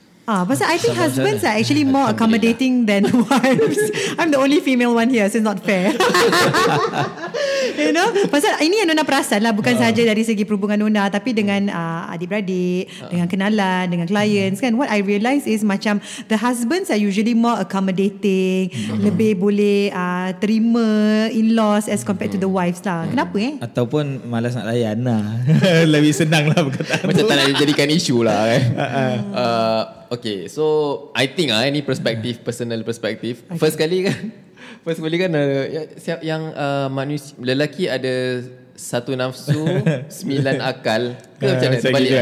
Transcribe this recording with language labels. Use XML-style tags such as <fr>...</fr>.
<en>Pasal I think husbands are actually more accommodating than wives. I'm the only female one here, so it's not fair. You know,</en> <ms>pasal ini yang Nona perasan lah, bukan sahaja dari segi perhubungan Nona, tapi dengan adik-beradik, dengan kenalan, dengan clients kan.</ms> <en>What I realise is macam the husbands are usually more accommodating,</en> <ms>lebih boleh terima</ms> <en>in-laws as compared to the wives lah.</en> <ms>Kenapa eh? Ataupun malas nak layan lah. Lebih senang lah berkataan. Macam tak nak jadikan isu lah kan.</ms> <en>Okay, so I think</en> <ms>lah ini perspektif, personal perspektif. First kali kan yang manusia, lelaki ada satu nafsu, 9 akal ke macam mana terbalik?</ms>